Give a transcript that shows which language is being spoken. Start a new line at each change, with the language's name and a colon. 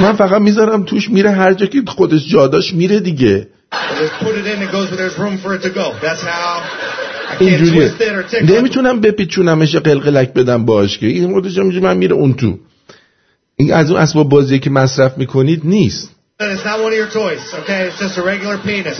Persian: من فقط میذارم توش، میره هر جا که خودش جا داشت میره دیگه.
English: Put it in and goes where there's room for it to go. That's how
Persian: اینجوریه. نمیتونم بپیچونمش قلقلک بدم باش که این خودش میجونه من میره اون تو. این از اون اسباب بازیه که مصرف میکنید نیست.
English: It's not one of your toys, okay? It's just a regular penis.